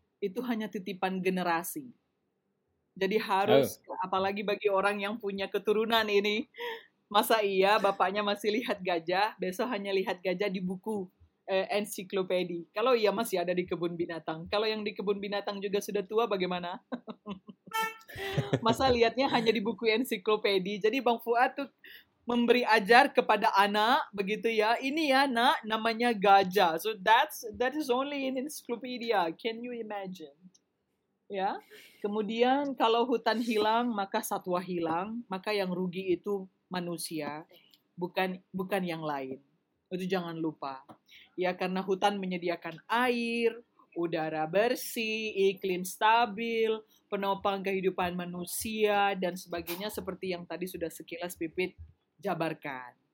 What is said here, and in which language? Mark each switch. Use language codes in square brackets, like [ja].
[id] Itu hanya titipan generasi. Jadi harus, apalagi bagi orang yang punya keturunan ini, masa iya bapaknya masih lihat gajah, besok hanya lihat gajah di buku ensiklopedi. Kalau iya masih ada di kebun binatang. Kalau yang di kebun binatang juga sudah tua, bagaimana? Masa lihatnya hanya di buku ensiklopedi. Jadi Bang Fuad tuh memberi ajar kepada anak, begitu ya. Ini ya nak, namanya gajah. [en] So that is only in encyclopedia. Can you imagine? [id] Ya, kemudian kalau hutan hilang maka satwa hilang, maka yang rugi itu manusia, bukan yang lain. Itu jangan lupa. Ya, karena hutan menyediakan air, udara bersih, iklim stabil, penopang kehidupan manusia dan sebagainya seperti yang tadi sudah sekilas Pipit jabarkan.